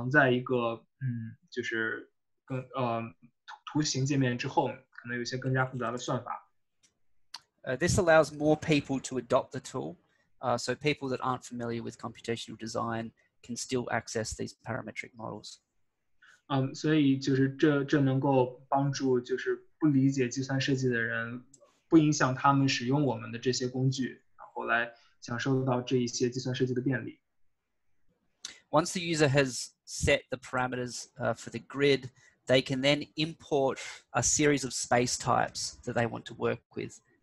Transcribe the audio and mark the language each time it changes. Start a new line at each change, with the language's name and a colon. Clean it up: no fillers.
English: This allows more people to adopt the tool, so people that aren't familiar with computational design can still access these parametric models.
Chinese: 所以就是这能够帮助就是不理解计算设计的人，不影响他们使用我们的这些工具，然后来享受到这一些计算设计的便利。
English: Once the user has set the parameters for the grid, they can then import a series of space types that they want to work with.